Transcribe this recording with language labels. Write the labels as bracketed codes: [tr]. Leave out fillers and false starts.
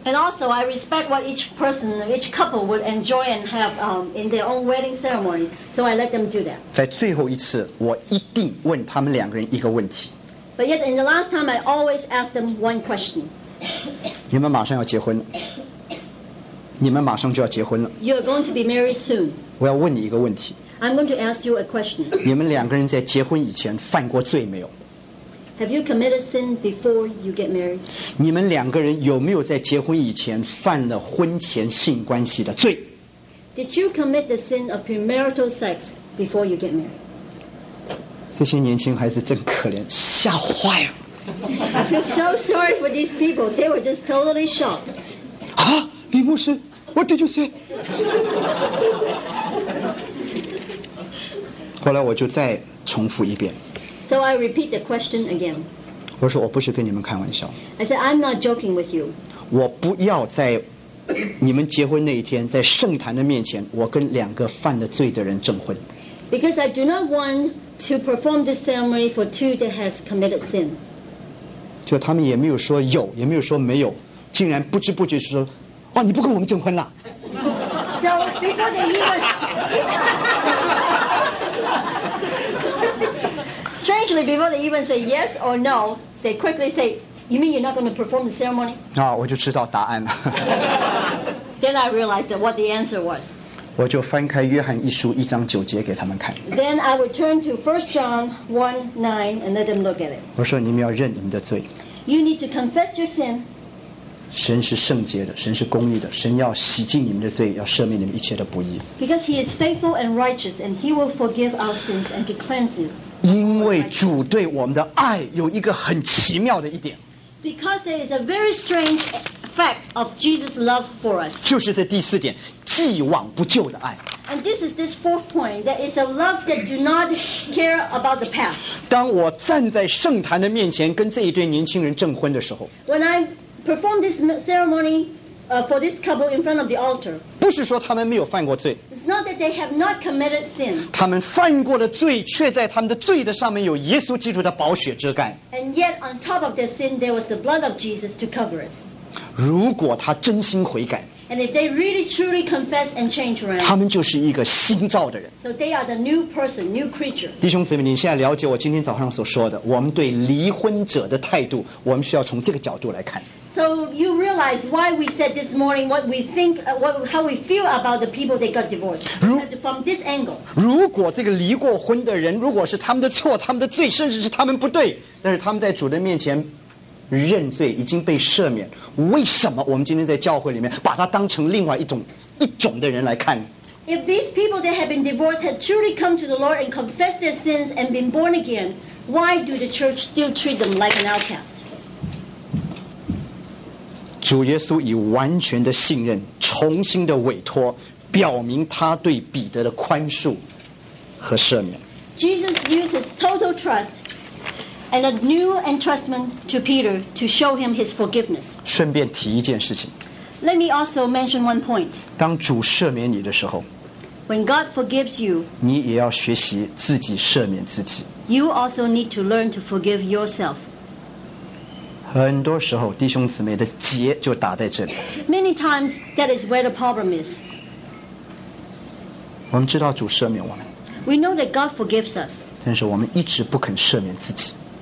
[en] And also, I respect what each person, each couple would enjoy and have in their own wedding ceremony, so I let them do that. [zh] 在最后一次，我一定问他们两个人一个问题。 [en] But yet, in the last time, I always ask them one question. [zh] 你们马上要结婚了，你们马上就要结婚了。 [en] You are going to be married soon. [zh] 我要问你一个问题。 [en] I'm going to ask you a question. [zh] 你们两个人在结婚以前犯过罪没有 [en] ？Have you committed sin before you get married? [zh] 你们两个人有没有在结婚以前犯了婚前性关系的罪 [en] ？Did you commit the sin of premarital sex before you get married? [zh] 这些年轻孩子真可怜，吓坏了。 [en] I feel so sorry for these people. They were just totally shocked. Ah, 李牧师 what did you say? [zh] 后来我就再重复一遍。 [en] So I repeat the question again. [zh] 我说我不是跟你们开玩笑。 [en] I said I'm not joking with you. [zh] 我不要在你们结婚那一天，在圣坛的面前，我跟两个犯了罪的人证婚。 [en] Because I do not want to perform this ceremony for two that has committed sin. [zh] 就他们也没有说有，也没有说没有，竟然不知不觉说，哦，你不跟我们证婚了。 [en] So before they even, strangely, before they even say yes or no, they quickly say, "You mean you're not going to perform the ceremony?" [zh] 啊，我就知道答案了。 [en] Then I realized what the answer was. [zh] 我就翻开约翰一书一章九节给他们看。 [en] Then I would turn to 1 John 1:9 and let them look at it. [zh] 我说你们要认你们的罪。 [en] You need to confess your sin. [zh] 神是圣洁的，神是公义的，神要洗净你们的罪，要赦免你们一切的不义。 [en] Because he is faithful and righteous, and he will forgive our sins and to cleanse you. [zh] 因为主对我们的爱有一个很奇妙的一点。 [en] Because there is a very strange fact of Jesus' love for us. [zh] 就是这第四点，既往不咎的爱。 [en] And this is this fourth point that is a love that do not care about the past. [zh] 当我站在圣坛的面前跟这一对年轻人证婚的时候 [en] ，When I perform this ceremony for this couple in front of the altar， [zh] 不是说他们没有犯过罪 [en] ，It's not that they have not committed sin。 [zh] 他们犯过的罪，却在他们的罪的上面有耶稣基督的宝血遮盖。 [en] And yet on top of their sin, there was the blood of Jesus to cover it. [zh] 如果他真心悔改。 [en] And if they really truly confess and change around, [zh] 他们就是一个新造的人。 [en] So they are the new person, new creature. [zh] 弟兄姊妹，你现在了解我今天早上所说的，我们对离婚者的态度，我们需要从这个角度来看。 [en] So you realize why we said this morning what we think, how we feel about the people that got divorced from this angle. [zh] 如果这个离过婚的人，如果是他们的错、他们的罪，甚至是他们不对，但是他们在主的面前认罪，已经被赦免。为什么我们今天在教会里面把他当成另外一种的人来看？ [en] If these people that have been divorced had truly come to the Lord and confessed their sins and been born again, why do the church still treat them like an outcast? [zh] 主耶稣以完全的信任，重新的委托，表明他对彼得的宽恕和赦免。 [en] Jesus uses total trust and a new entrustment to Peter to show him his forgiveness. [zh] 顺便提一件事情。 [en] Let me also mention one point. [zh] 当主赦免你的时候 [en] ，When God forgives you， [zh] 你也要学习自己赦免自己。 [en] You also need to learn to forgive yourself. [zh] 很多时候弟兄姊妹的结就打在这里。 [en] Many times that is where the problem is. [zh] 我们知道主赦免我们， [en] We know that God forgives us. [zh] 但是我们一直不肯赦免自己。